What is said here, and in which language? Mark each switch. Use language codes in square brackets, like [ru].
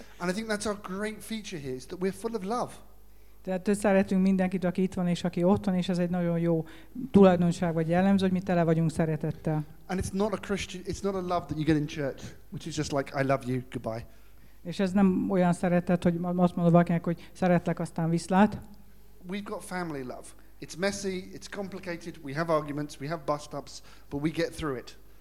[en] And I think that's our great feature here, is that we're full of love. [hu] Tehát szeretünk mindenkit, aki itt van és aki otthon, és ez egy nagyon jó tulajdonság vagy jellemző, hogy mi tele vagyunk szeretettel. [en] And it's not a Christian, it's not a love that you get in church, which is just like, I love you, goodbye. [hu] És ez nem olyan szeretet, hogy azt mondod valakinek, hogy szeretlek, aztán viszlát. [en] We've got family love. It's messy, it's complicated, we have arguments, we have bust-ups, but we get through it.